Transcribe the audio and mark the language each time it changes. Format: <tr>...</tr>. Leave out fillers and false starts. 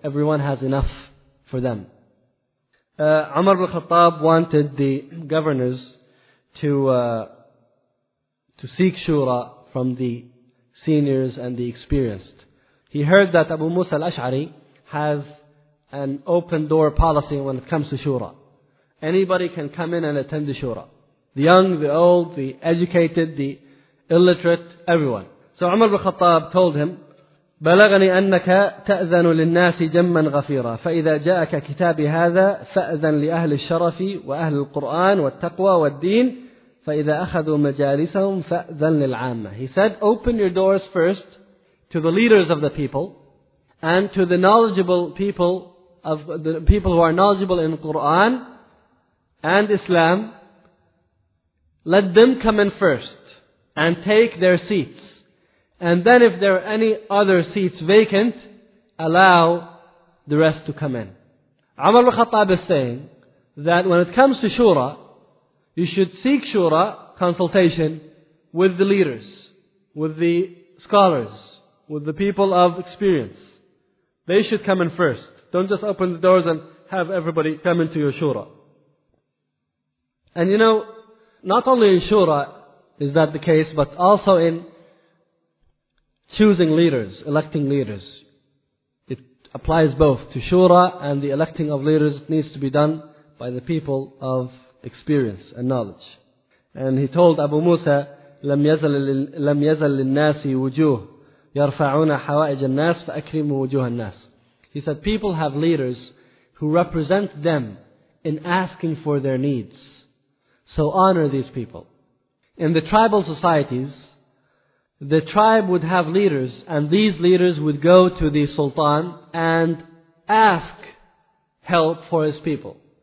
<en>Everyone has enough for them. Umar ibn Khattab wanted the governors to seek shura from the seniors and the experienced. He heard that Abu Musa al-Ash'ari has an open door policy when it comes to shura. Anybody can come in and attend the shura. The young, the old, the educated, the illiterate, everyone. So Umar ibn Khattab told him,</en> <ar>بلغني أنك تأذن للناس جما غفيرا فإذا جاءك كتاب هذا فأذن لأهل الشرف وأهل القرآن والتقوى والدين فإذا أخذوا مجالسهم فأذن للعامة.</ar> <en>He said, open your doors first to the leaders of the people and to the knowledgeable people, of the people who are knowledgeable in Quran and Islam. Let them come in first and take their seats. And then if there are any other seats vacant, allow the rest to come in. Umar ibn Khattab is saying that when it comes to shura, you should seek shura consultation with the leaders, with the scholars, with the people of experience. They should come in first. Don't just open the doors and have everybody come into your shura. And you know, not only in shura is that the case, but also in choosing leaders, electing leaders. It applies both to shura and the electing of leaders. It needs to be done by the people of experience and knowledge. And he told Abu Musa,</en> <ar>لَمْ يَزَلِ لِلنَّاسِ وُجُوهُ يَرْفَعُونَ حَوَائِجَ النَّاسِ فَأَكْرِمُوا وُجُوهَ النَّاسِ.</ar> <en>He said, people have leaders who represent them in asking for their needs. So honor these people. In the tribal societies, the tribe would have leaders, and these leaders would go to the sultan and ask help for his people.</en>